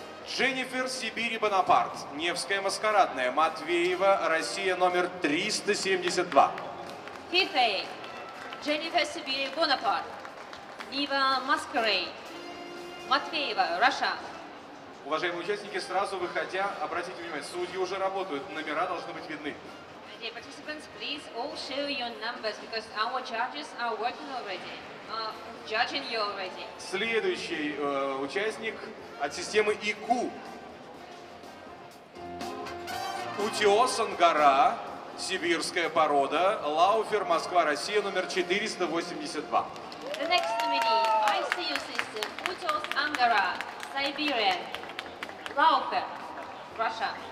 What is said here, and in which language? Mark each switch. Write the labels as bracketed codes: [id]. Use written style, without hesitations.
[ru] Дженнифер Сибири Бонапарт, Невская Маскарадная, Матвеева, Россия, номер 372. [en] FIFA. [ru] Дженнифер Сибири Бонапарт, Нива Маскарей, Матвеева, Раша. Уважаемые участники, сразу выходя, обратите внимание, судьи уже работают, номера должны быть видны. [en] Dear participants, please all show your numbers, because our judges are working already. Judging you already. [ru] Следующий участник от системы ИКУ. Утиос Ангара, сибирская порода, Лауфер, Москва, Россия, номер 482. [en] The next nominee, ICU system, Утиос Ангара, Siberian, Лауфер, Russia.